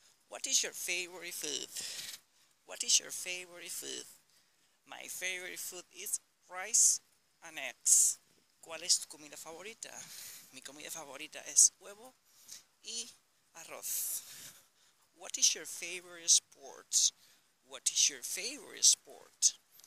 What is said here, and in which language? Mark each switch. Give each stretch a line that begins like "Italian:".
English: What is your favorite food? What is your favorite food? My favorite food is rice and eggs.
Spanish: ¿Cuál es tu comida favorita? Mi comida favorita es huevo y arroz.
English: What is your favorite sport? What is your favorite sport?